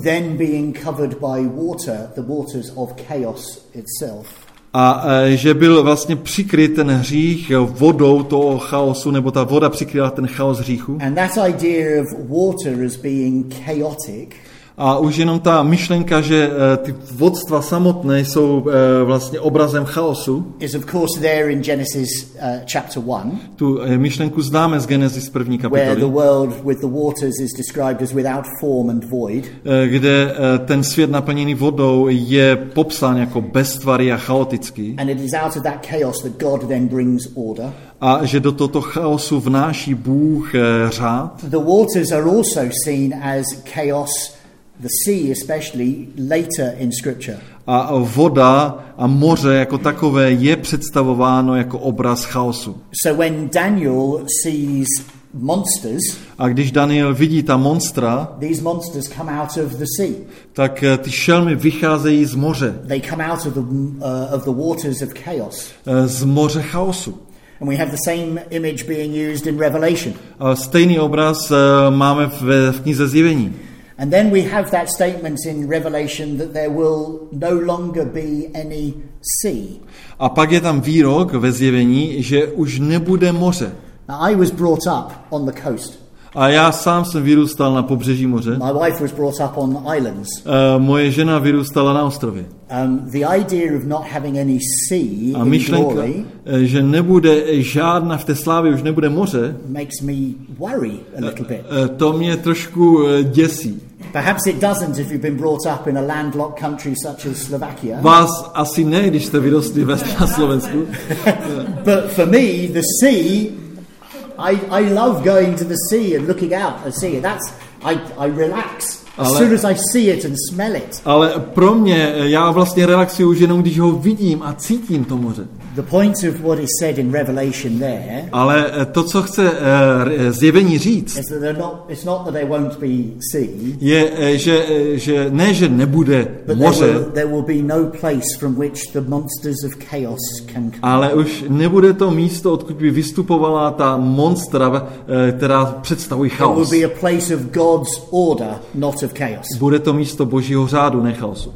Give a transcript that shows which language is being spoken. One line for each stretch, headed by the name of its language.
English: Then being covered by water, the waters of chaos itself.
Czech: A že byl vlastně přikryt ten hřích vodou toho chaosu, nebo ta voda přikryla ten chaos hříchu.
English: And that idea of water as being chaotic.
Czech: A už jenom ta myšlenka, že ty vodstva samotné jsou vlastně obrazem chaosu.
English: Is of course there in Genesis chapter 1.
Czech: Tu myšlenku známe z Genesis 1. kapitoly.
English: Where the world with the waters is described as without form and void.
Czech: Kde ten svět naplněný vodou je popsán jako beztvarý a chaotický.
English: And it is out of that chaos that God then brings order.
Czech: A že do tohoto chaosu vnáší Bůh řád.
English: The waters are also seen as chaos. The sea especially later in scripture.
Czech: A voda a moře jako takové je představováno jako obraz chaosu.
English: So when Daniel sees monsters,
Czech: a když Daniel vidí ta monstra,
English: these monsters come out of the sea.
Czech: Tak ty šelmy vycházejí z moře.
English: They come out of the waters of chaos.
Czech: Z moře chaosu.
English: And we have the same image being used in Revelation.
Czech: A stejný obraz máme v knize Zjevení.
English: And then we have that statement in Revelation that there will no longer be any sea.
Czech: A pak je tam výrok ve zjevení, že už nebude moře.
English: Now, I was brought up on the coast.
Czech: A já sám jsem vyrůstal na pobřeží moře.
English: My wife was brought up on islands.
Czech: Moje žena vyrůstala na ostrově.
English: The idea of not having any sea
Czech: a myšlenka,
English: in glory,
Czech: že nebude žádná v té slávě, už nebude moře,
English: makes me worry a little bit.
Czech: To mě trošku děsí.
English: Perhaps it doesn't if you've been brought up in a landlocked country such as Slovakia.
Czech: Vás asi ne, když jste vyrostli ve Slovensku.
English: But for me, the sea, I love going to the sea and looking out at the sea. That's I relax As soon as I see it and smell it.
Czech: Ale pro mě, já vlastně relaxuji už jenom, když ho vidím a cítím to moře.
English: The point of what is said in Revelation there.
Czech: Ale to, co chce zjevení říct.
English: Is that it's not that they won't be sea.
Czech: Je, že ne, že nebude moře.
English: There will be no place from which the monsters of chaos can come.
Czech: Ale už nebude to místo, odkud by vystupovala ta monstra, která představuje chaos.
English: It will be a place of God's order, not of chaos.
Czech: Bude to místo Božího řádu, ne chaosu.